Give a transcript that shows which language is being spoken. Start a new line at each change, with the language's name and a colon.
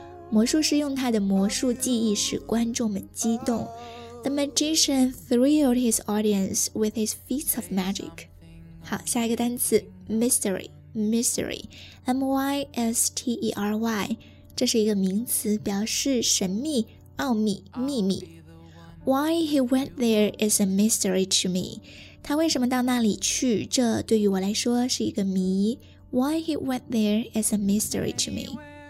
Chinese: 魔术师用他的魔术技艺使观众们激动。
English: The magician thrilled his audience with his feats of magic.
Chinese: 好，下一个单词 mystery, M-Y-S-T-E-R-Y， 这是一个名词，表示神秘、奥秘、秘密。
English: Why he went there is a mystery to me.
Chinese: 他为什么到那里去？这对于我来说是一个谜。
English: Why he went there is a mystery to me.